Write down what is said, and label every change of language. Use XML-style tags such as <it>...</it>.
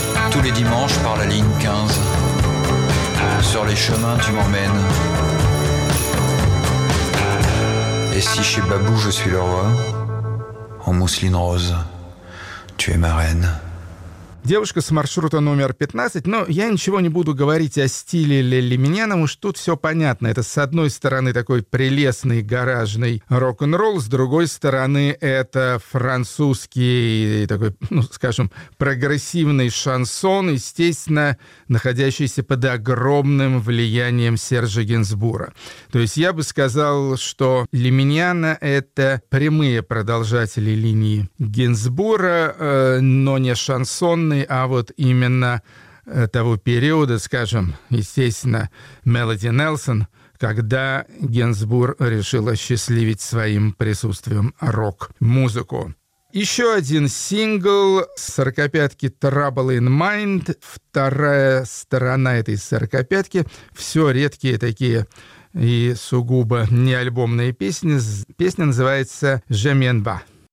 <fr>Tous les dimanches par la ligne 15, sur les chemins tu m'emmènes. Et si chez Babou je suis le roi, en mousseline rose, tu es ma reine.</fr> <ru>Девушка с маршрута номер 15, но я ничего не буду говорить о стиле Лили Миньяна, уж тут все понятно. Это, с одной стороны, такой прелестный гаражный рок-н-ролл, с другой стороны, это французский такой, ну, скажем, прогрессивный шансон, естественно, находящийся под огромным влиянием Сержа Гинзбура. То есть я бы сказал, что Лили Миньяна — это прямые продолжатели линии Гинзбура, но не шансон, а вот именно того периода, скажем, естественно, Мелоди Нелсон, когда Гинзбур решил осчастливить своим присутствием рок-музыку. Еще один сингл сорокопятки «Trouble in Mind», вторая сторона этой сорокопятки, все редкие такие и сугубо неальбомные песни. Песня называется «Je m'en va».</ru>